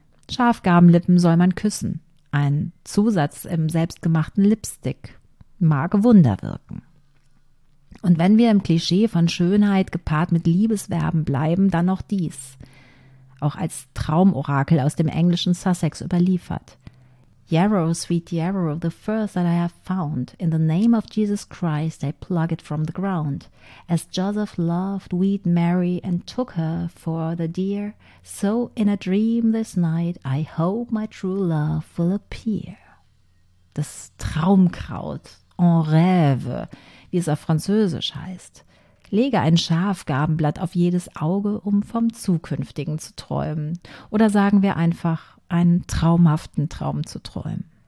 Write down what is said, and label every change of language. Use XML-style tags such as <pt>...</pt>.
<de>Schafgarbenlippen soll man küssen. Ein Zusatz im selbstgemachten Lipstick mag Wunder wirken. Und wenn wir im Klischee von Schönheit gepaart mit Liebesverben bleiben, dann noch dies. Auch als Traumorakel aus dem englischen Sussex überliefert.</de> <en>Yarrow, sweet yarrow, the first that I have found, in the name of Jesus Christ, I pluck it from the ground. As Joseph loved wheat Mary and took her for the dear, so in a dream this night I hope my true love will appear.</en> <de>Das Traumkraut,</de> <fr>en rêve,</fr> <de>wie es auf Französisch heißt. Lege ein Schafgarbenblatt auf jedes Auge, um vom Zukünftigen zu träumen. Oder sagen wir einfach, einen traumhaften Traum zu träumen.</de>